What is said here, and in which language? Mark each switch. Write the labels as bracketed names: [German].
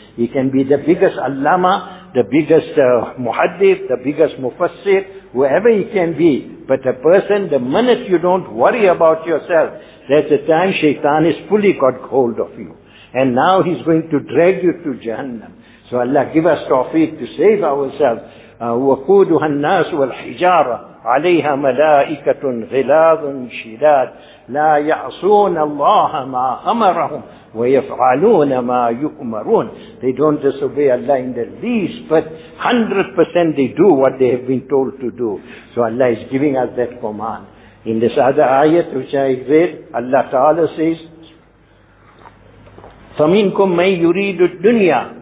[English] He can be the biggest allama, the biggest muhaddif, the biggest mufassir, whoever he can be. But the person, the minute you don't worry about yourself, that's the time shaitan has fully got hold of you. And now he's going to drag you to jahannam. So Allah give us tawfiq to save ourselves. [Arabic] وقودها الناس والحجارة عليها ملائكة غلاظ شداد لا يعصون الله ما أمرهم ويفعلون ما يؤمرون. [English] They don't disobey Allah in the least, but 100% they do what they have been told to do. So Allah is giving us that command. In this other ayat which I read, Allah Ta'ala says, [Arabic] فَمِنْكُمْ مَنْ يُرِيدُ الدُّنْيَا.